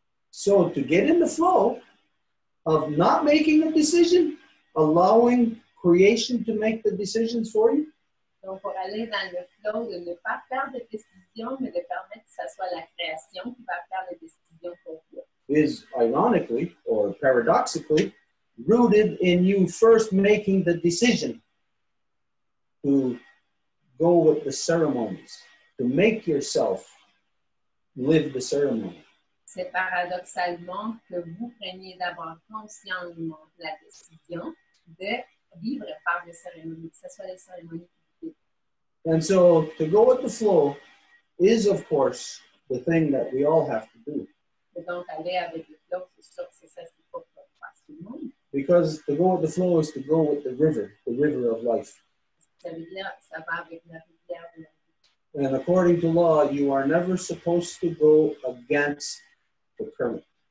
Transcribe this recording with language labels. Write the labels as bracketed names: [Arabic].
[English] So to get in the flow of not making a decision, allowing creation to make the decisions for you. [French] Donc pour aller dans le flow de ne pas faire de décision, mais de permettre que ce soit la création qui va faire les décisions pour vous. [English] Is ironically or paradoxically rooted in you first making the decision to go with the ceremonies. To make yourself live the ceremony. [French] C'est paradoxalement que vous preniez d'abord consciemment la décision de vivre par les cérémonies, que ce soit les cérémonies qui vous dites. [English] And so, to go with the flow is, of course, the thing that we all have to do. [French] Et donc, aller avec le flow, c'est sûr que c'est ça qu'il faut faire tout le monde. [English] Because to go with the flow is to go with the river of life. [French] Ça veut dire, ça va avec la rivière de la vie. [English] And according to law, you are never supposed to go against the current.